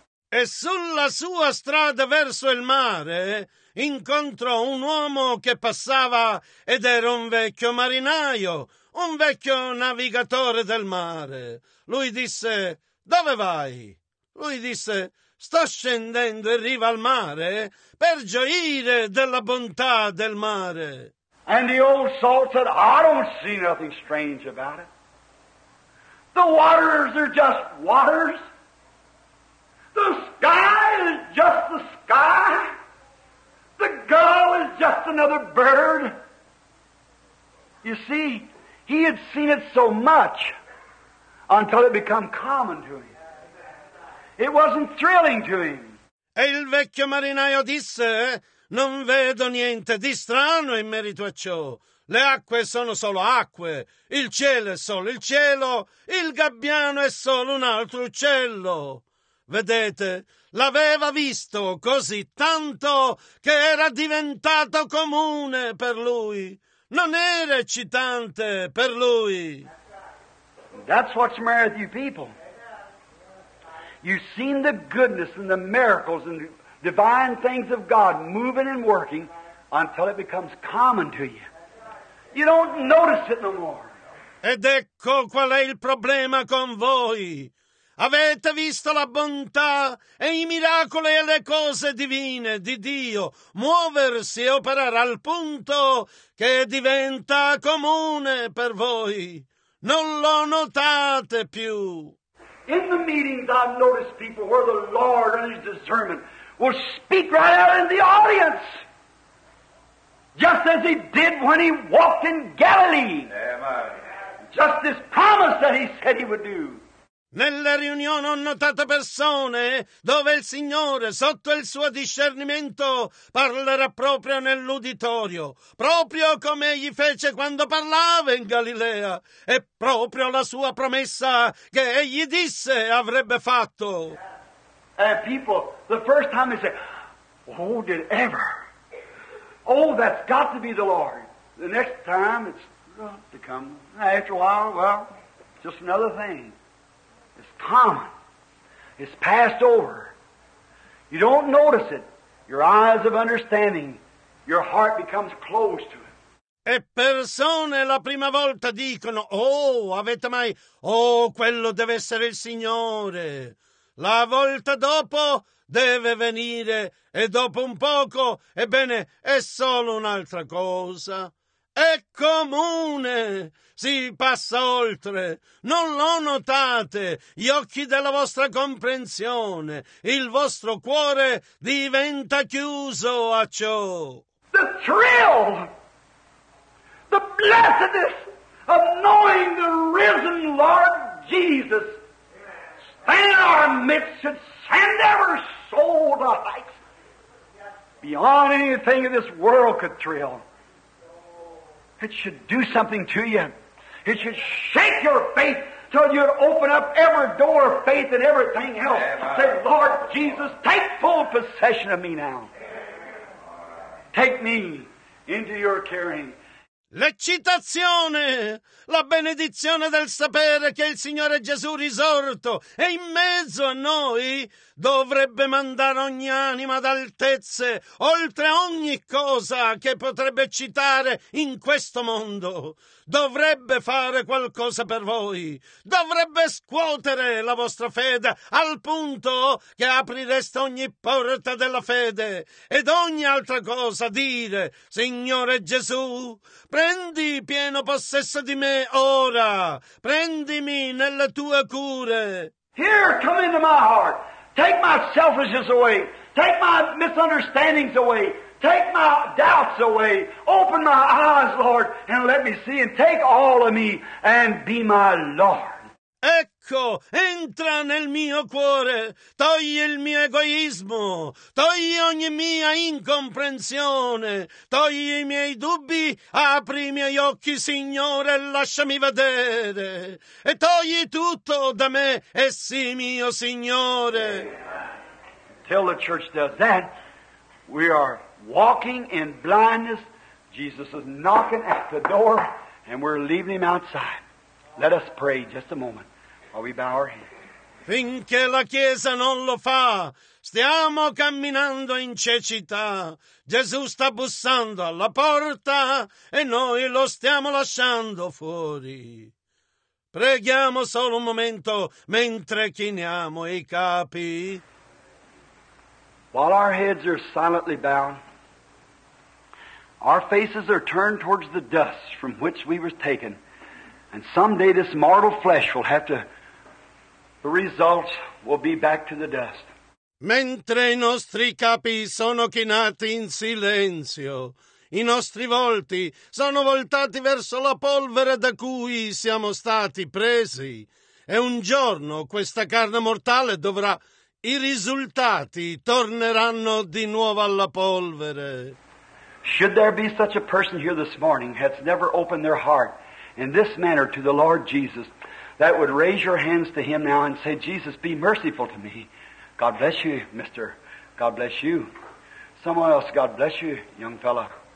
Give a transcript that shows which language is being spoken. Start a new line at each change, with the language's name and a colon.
Italian: E sulla sua strada verso il mare incontrò un uomo che passava ed era un vecchio marinaio, un vecchio navigatore del mare. Lui disse, "Dove vai?" Lui disse, "Sto scendendo in riva al mare per gioire della bontà del mare."
English: And the old salt said, "I don't see nothing strange about it. The waters are just waters. The sky is just the sky. The gull is just another bird." You see, he had seen it so much until it became common to him. It wasn't thrilling to him.
Italian: E il vecchio marinaio disse, "Non vedo niente di strano in merito a ciò. Le acque sono solo acque, il cielo è solo il cielo, il gabbiano è solo un altro uccello. Vedete, l'aveva visto così tanto che era diventato comune per lui. Non era eccitante per lui."
English: That's what's married you people. You've seen the goodness and the miracles and the divine things of God moving and working until it becomes common to you. You don't notice it no more.
Italian: Ed ecco qual è il problema con voi. Avete visto la bontà e i miracoli e le cose divine di Dio muoversi e operare al punto che diventa comune per voi. Non lo notate più.
English: In the meetings I've noticed people where the Lord and his discernment will speak right out in the audience, just as he did when he walked in Galilee. Amen. Just this promise that he said he would do.
Italian: Nelle riunioni ho notato persone dove il Signore, sotto il suo discernimento, parlerà proprio nell'uditorio, proprio come egli fece quando parlava in Galilea, e proprio la sua promessa che egli disse avrebbe fatto.
English: And people, the first time they say, "Oh, did ever? Oh, that's got to be the Lord." The next time, it's not to come. After a while, well, just another thing. It's common. It's passed over. You don't notice it. Your eyes of understanding, your heart becomes closed to it.
Italian: E persone la prima volta dicono, "Oh, avete mai, oh, quello deve essere il Signore." La volta dopo deve venire, e dopo un poco, ebbene, è solo un'altra cosa. È comune, si passa oltre, non lo notate, gli occhi della vostra comprensione, il vostro cuore diventa chiuso a ciò.
English: The thrill, the blessedness of knowing the risen Lord Jesus, and in our midst should send ever soul to heights beyond anything in this world could thrill. It should do something to you. It should shake your faith till you'd open up every door of faith and everything else. Say, "Lord Jesus, take full possession of me now. Take me into your caring."
Italian: L'eccitazione, la benedizione del sapere che il Signore Gesù risorto è in mezzo a noi, dovrebbe mandare ogni anima ad altezze, oltre ogni cosa che potrebbe eccitare in questo mondo. Dovrebbe fare qualcosa per voi, dovrebbe scuotere la vostra fede al punto che aprireste ogni porta della fede ed ogni altra cosa dire, "Signore Gesù, prendi pieno possesso di me ora, prendimi nelle tue cure.
English: Here, come into my heart, take my selfishness away, take my misunderstandings away. Take my doubts away. Open my eyes, Lord, and let me see, and take all of me and be my Lord."
Italian: Ecco, entra nel mio cuore, togli il mio egoismo, togli ogni mia incomprensione, togli i miei dubbi, apri i miei occhi, Signore, lasciami vedere, e togli tutto da me, e sii mio Signore.
English: Till the church does that, we are walking in blindness. Jesus is knocking at the door, and we're leaving him outside. Let us pray just a moment while we bow our heads.
Italian: Finché la Chiesa non lo fa, stiamo camminando in cecità. Gesù sta bussando alla porta e noi lo stiamo lasciando fuori. Preghiamo solo un momento mentre chiniamo i capi.
English: While our heads are silently bowed, our faces are turned towards the dust from which we were taken, and someday this mortal flesh will have to, the results will be back to the dust.
Italian: Mentre i nostri capi sono chinati in silenzio, i nostri volti sono voltati verso la polvere da cui siamo stati presi, e un giorno questa carne mortale dovrà, i risultati torneranno di nuovo alla polvere.
English: Should there be such a person here this morning who has never opened their heart in this manner to the Lord Jesus, that would raise your hands to him now and say, Jesus, be merciful to me. God bless you, mister. God bless you. Someone else, God bless you, young fella.